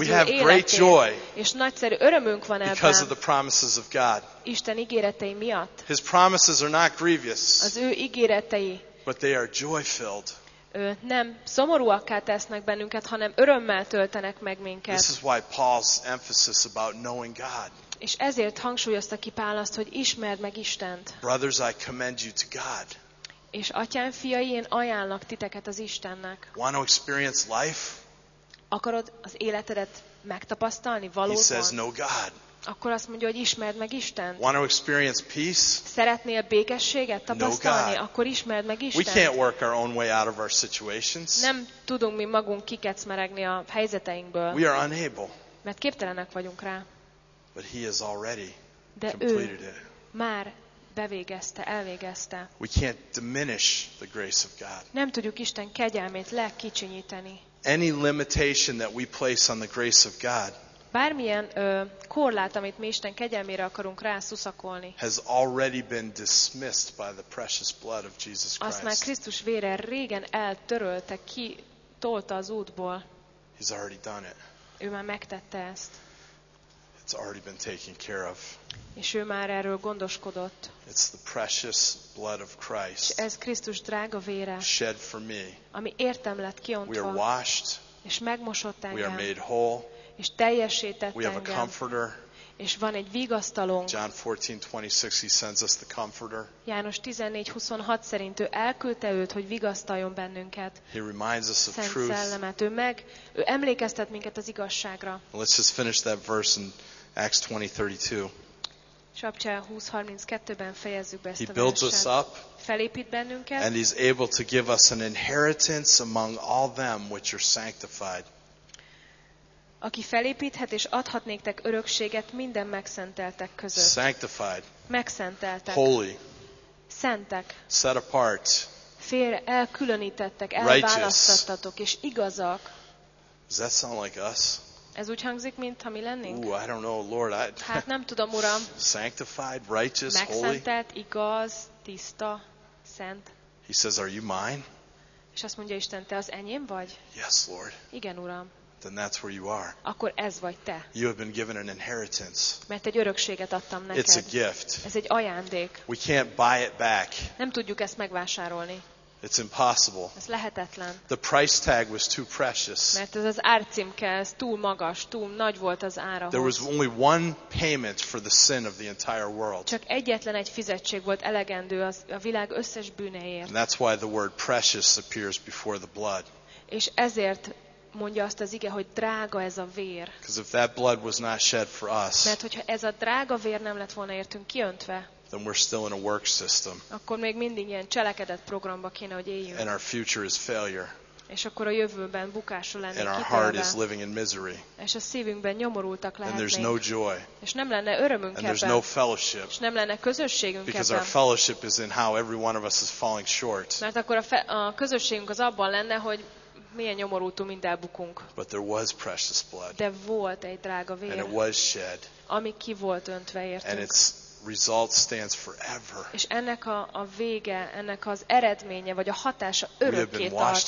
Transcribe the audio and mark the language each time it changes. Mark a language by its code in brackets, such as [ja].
[en] we [hu] ő [en] have [hu] életét. [en] Great joy [hu] és nagyszerű örömünk van ebben. [en] Because of the promises of God. [hu] Isten ígéretei miatt. [en] His promises are not grievous. [hu] Az ő ígéretei. [en] But they are joy-filled. [hu] Nem szomorúakká tesznek bennünket, hanem örömmel töltenek meg minket. [en] This is why Paul's emphasis about knowing God. [hu] És ezért hangsúlyozta ki Pál azt, hogy ismerd meg Istent. [en] Brothers, I commend you to God. [hu] És atyám fiai, én ajánlak titeket az Istennek. [en] Want to experience life? [hu] Akarod az életedet megtapasztalni valóban? [en] He says, no God. [hu] Akkor azt mondja, hogy ismerd meg Istent. [en] Want to experience peace? [hu] Szeretnél békességet tapasztalni? [en] No God. [hu] Akkor ismerd meg Istent. [en] We can't work our own way out of our situations. [hu] Nem tudunk mi magunk kikecmeregni a helyzeteinkből. [en] We are unable. [hu] Mert képtelenek vagyunk rá. [en] But he has already [hu] de [en] completed [hu] ő [en] it. [hu] Már bevégezte, elvégezte. [en] We can't diminish the grace of God. [hu] Nem tudjuk Isten kegyelmét lekicsinyíteni. [en] Any limitation that we place on the grace of God. [hu] Bármilyen korlát, amit mi Isten kegyelmére akarunk rászuszakolni. [en] Has already been dismissed by the precious blood of Jesus Christ. [hu] Azt már Krisztus vére régen eltörölte, kitolta az útból. [en] He's already done it. [hu] Ő már megtette ezt. [en] It's already been taken care of. [hu] És ő már erről gondoskodott. [en] It's the precious blood of Christ. [hu] Ez Krisztus drága vére. [en] Shed for me. [hu] Ami értem lett kiontva. [en] We are washed. [hu] És megmosott engem. [en] We are made whole. [hu] És teljesített engem. [en] We have a comforter. [hu] És van egy vigasztalónk. [en] John 14:26 he sends us the comforter. [hu] János 14:26 szerint ő elküldte őt, hogy vigasztaljon bennünket. [en] He reminds us of truth. [hu] Szent szellemet. Ő emlékeztet minket az igazságra. [en] Let's just finish that verse in Acts 20:32. [hu] Csapcsa 20:32-ben fejezzük be ezt a verset. [en] He builds us up. [hu] Felépít bennünket. [en] And he's able to give us an inheritance among all them which are sanctified. [hu] Aki felépíthet és adhat néktek örökséget minden megszenteltek között. [en] Sanctified. [hu] Megszenteltek. [en] Holy. [hu] Szentek. [en] Set apart. [hu] Félre elkülönítettek, elválasztottatok és igazak. [en] Does that sound like us? [hu] Ez úgy hangzik, mint ha mi lennénk? [en] Ooh, I don't know, Lord. [hu] Hát nem tudom, Uram. [en] Sanctified, righteous, holy. [hu] Megszentelt, igaz, tiszta, szent. [en] He says, are you mine? [hu] És azt mondja Isten, te az enyém vagy? [en] Yes, Lord. [hu] Igen, Uram. [en] Then that's where you are. [hu] Akkor ez vagy te. [en] You have been given an inheritance. [hu] Mert egy örökséget adtam neked. [en] It's a gift. [hu] Ez egy ajándék. [en] We can't buy it back. [hu] Nem tudjuk ezt megvásárolni. [en] It's impossible. [hu] Ez lehetetlen. [en] The price tag was too precious. [hu] Mert ez az árcímke, ez túl magas, túl nagy volt az ára. [en] There was only one payment for the sin of the entire world. [hu] Csak egyetlen egy fizetség volt elegendő az a világ összes bűneiért. [en] And that's why the word precious appears before the blood. [hu] És ezért mondja azt az ige, hogy drága ez a vér. [en] Because if that blood was not shed for us, [hu] mert hogyha ez a drága vér nem lett volna értünk kiöntve, [en] then we're still in a work system. [hu] Akkor még mindig ilyen cselekedett programba kéne, hogy éljünk. [en] And our future is failure. [hu] És akkor a jövőben bukásra lennék kitalálva. [en] And our heart is living in misery. [hu] És a szívünkben nyomorultak lehetnénk. [en] And there's no joy. [hu] És nem lenne örömünk ebben. [en] And there's no fellowship. [hu] És nem lenne közösségünk ebben. [en] Because our fellowship is in how every one of us is falling short. [hu] Mert akkor a közösségünk az abban lenne, hogy milyen nyomorultunk, mind elbukunk. [en] But there was precious blood. [hu] De volt egy drága vér. [en] And it was shed. [hu] Ami ki volt öntve értünk. [en] And its result stands forever. [hu] És ennek a vége, ennek az eredménye, vagy a hatása örökké tart.